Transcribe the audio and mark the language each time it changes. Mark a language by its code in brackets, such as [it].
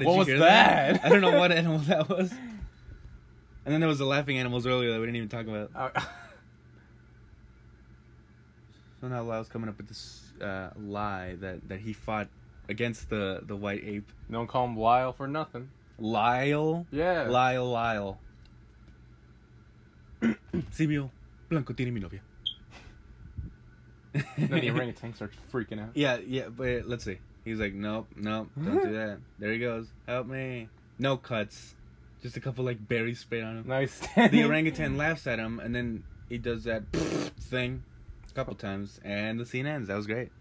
[en] Did you hear that? I don't know what animal that was. And then there was the laughing animals earlier that we didn't even talk about. So now Lyle's coming up with this lie that he fought against the white ape. Don't call him Lyle for nothing. Lyle? Yeah. Lyle. [es] Simio Blanco tiene mi novia. [en] Then the orangutan starts freaking out. Yeah, but let's see. He's like, nope, don't do that. There he goes. Help me. [es] No cuts. [en] Just a couple like berries sprayed on him. Nice. The orangutan laughs at him, and then he does that thing a couple times, and the scene ends. That was great.